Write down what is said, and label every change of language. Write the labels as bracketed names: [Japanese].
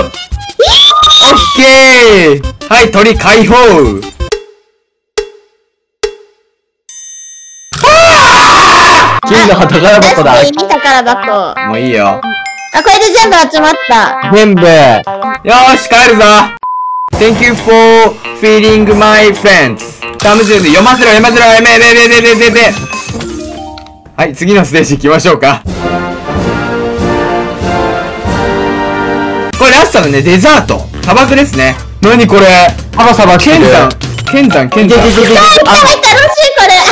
[Japanese] オッケー。はい、鳥解放。金の宝箱だ。出していい宝箱。もういいよ。あ、これで全部集まった。全部。よーし、帰るぞ。 [English] Thank you for feeding my friends. [Japanese] タムジューズ、読ませろ、めめめめめめめ。はい、次のステージ行きましょうか。これラストのね、デザート。砂漠ですね。なにこれ。サバサバ、ケンタン。すごい、すごい楽しい、これ。